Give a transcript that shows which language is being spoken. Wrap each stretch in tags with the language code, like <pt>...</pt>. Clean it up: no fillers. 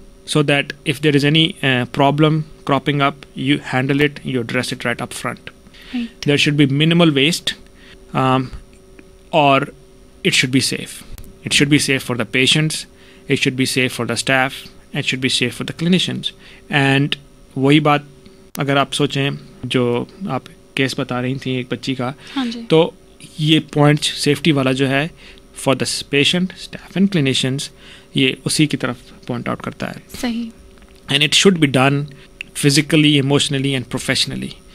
<en>So that if there is any problem cropping up, you handle it, you address it right up front. Right. There should be minimal waste or it should be safe. It should be safe for the patients. It should be safe for the staff. It should be safe for the clinicians.</en> <ur>And وہی بات اگر آپ سوچیں جو آپ case بتا رہی تھیں ایک بچی کا, تو یہ پوائنٹ سیفٹی والا جو ہے</ur> <en>for the patient, staff and clinicians,</en> <ur>یہ اسی کی طرف پوائنٹ آؤٹ کرتا ہے. صحیح.</ur> <en>And it should be done physically, emotionally and professionally.</en>